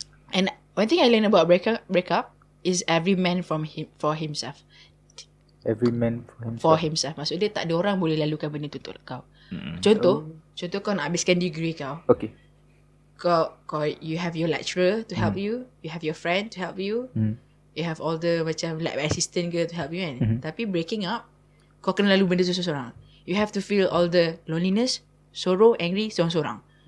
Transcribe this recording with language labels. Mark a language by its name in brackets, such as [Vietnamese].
[English] And one thing I learned about breakup is every man from him for himself. Every man for himself. For himself. [Malay] Maksud dia tak ada orang boleh lalukan benda tu untuk kau. Contoh kau nak habiskan degree kau. [English] Okay. [Malay] Kau, [English] you have your lecturer to help you. You have your friend to help you. You have all the macam lab assistant ke to help you kan. [Malay] Tapi breaking up, kau kena lalu benda tu seorang. [English] You have to feel all the loneliness, sorrow, angry, [Malay] seorang-seorang.